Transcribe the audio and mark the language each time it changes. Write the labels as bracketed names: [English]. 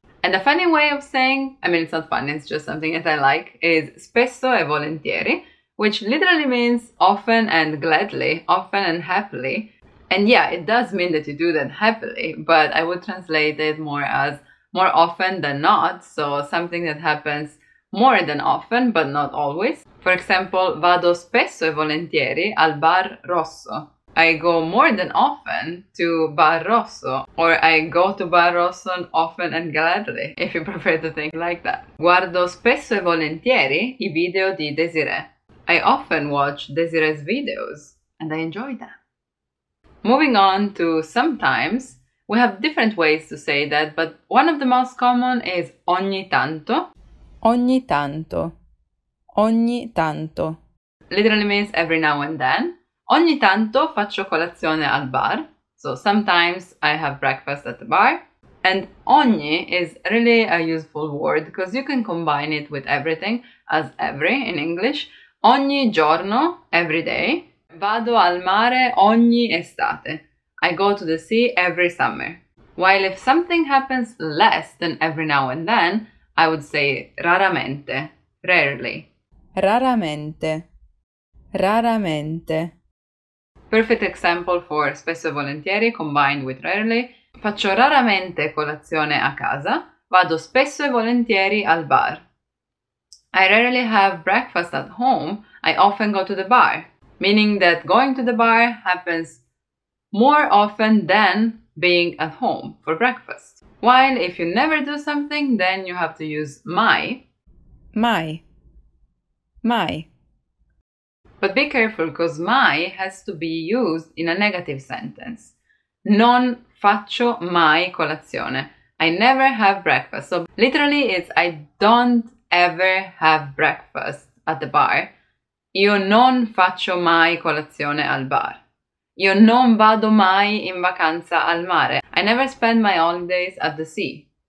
[English] And the funny way of saying, I mean, it's not fun, it's just something that I like, is [Italian] spesso e volentieri, [English] which literally means often and gladly, often and happily. And yeah, it does mean that you do that happily, but I would translate it more as more often than not, so something that happens more than often, but not always. For example, [Italian] vado spesso e volentieri al bar rosso. [English] I go more than often to Bar Rosso, or I go to Bar Rosso often and gladly, if you prefer to think like that. [Italian] Guardo spesso e volentieri I video di Desiree. [English] I often watch Desiree's videos, and I enjoy them. Moving on to sometimes, we have different ways to say that, but one of the most common is [Italian] ogni tanto. Ogni tanto. Ogni tanto. [English] Literally means every now and then. [Italian] Ogni tanto faccio colazione al bar, [English] so sometimes I have breakfast at the bar. And ogni is really a useful word because you can combine it with everything, as every in English. [Italian] Ogni giorno, [English] every day, [Italian] vado al mare ogni estate. [English] I go to the sea every summer. While if something happens less than every now and then, I would say raramente, rarely. [Italian] Raramente, raramente. [English] Perfect example for [Italian] spesso e volentieri [English] combined with rarely. [Italian] Faccio raramente colazione a casa. Vado spesso e volentieri al bar. [English] I rarely have breakfast at home. I often go to the bar. Meaning that going to the bar happens more often than being at home for breakfast. While if you never do something, then you have to use mai. [Italian] Mai. Mai. [English] But be careful, because mai has to be used in a negative sentence. [Italian] Non faccio mai colazione. [English] I never have breakfast. So literally it's I don't ever have breakfast at the bar. [Italian] Io non faccio mai colazione al bar. Io non vado mai in vacanza al mare. [English] I never spend my holidays at the sea.